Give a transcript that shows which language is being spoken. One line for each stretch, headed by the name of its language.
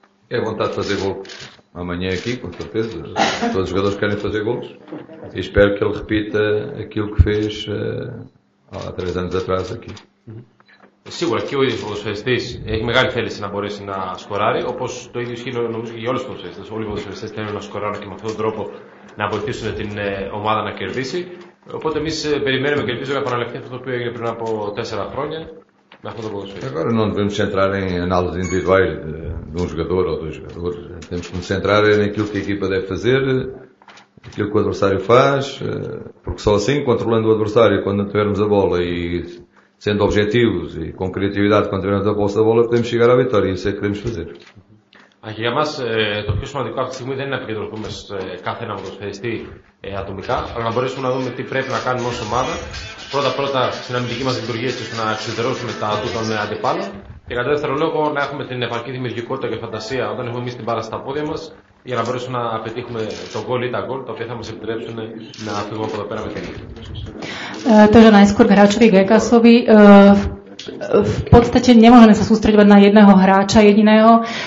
Portuguese: É vontade de fazer gol amanhã aqui, com certeza. Todos os jogadores querem fazer golos. E espero que ele repita aquilo que fez há três anos atrás aqui.
Greek: Σίγουρα και ο ίδιος ο ποδοσφαιριστής έχει μεγάλη θέληση να μπορέσει να σκοράρει, όπως το ίδιο ισχύει νομίζω και για όλους τους ποδοσφαιριστές. Όλοι οι ποδοσφαιριστές θέλουν να σκοράρουν και με αυτόν τον τρόπο να βοηθήσουν την ομάδα να κερδίσει. Οπότε εμείς περιμένουμε και ελπίζουμε να επαναληφθεί αυτό που έγινε πριν από τέσσερα χρόνια.
Portuguese: Agora não devemos centrar em análises individuais de um jogador ou dois jogadores. Temos que nos centrar naquilo que a equipa deve fazer, aquilo que o adversário faz, porque só assim, controlando o adversário quando tivermos a bola e sendo objetivos e com criatividade quando tivermos a posse da bola, podemos chegar à vitória. Isso é que queremos fazer. Aqui a mais, o mais importante agora não é
Greek: επικεντρωθούμες κάθε έναν ποδοσφαιριστή ατομικά, αλλά να μπορέσουμε να δούμε τι πρέπει να κάνουμε ως ομάδα. Πρώτα-πρώτα στην αμυντική μας λειτουργία, ώστε να εξουδετερώσουμε τα ατού των αντιπάλων. Και κατά δεύτερο λόγο, να έχουμε την επαρκή δημιουργικότητα και φαντασία όταν έχουμε εμείς την μπάλα στα πόδια μας, για να μπορέσουμε να πετύχουμε το γκολ ή τα γκολ, τα οποία θα μας επιτρέψουν να φύγουμε από εδώ πέρα με την ίδια. Τώρα, να είσαι κορκράτσοβι, Γκέκασοβι.
Slovak: V podstate nemôžeme sa sústreďovať na jedného hráča jediného.